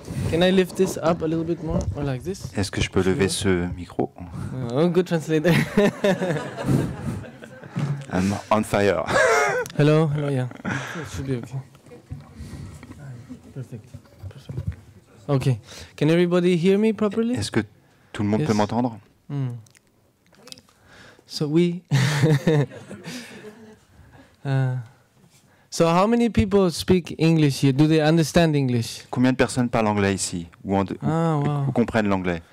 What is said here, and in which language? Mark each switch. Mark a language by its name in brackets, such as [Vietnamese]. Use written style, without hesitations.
[English] Can I lift this up a little bit more, or like this? [French] Est-ce que je peux lever ce micro? [English] Oh, good translator. I'm on fire. Hello, hello, yeah. It should be okay. Perfect. Okay. Can everybody hear me properly? [French] Est-ce que tout le monde peut m'entendre? Mm. [English] So we... So how many people speak English here? Do they understand English? [French] Combien de personnes parlent anglais ici ou comprennent l'anglais?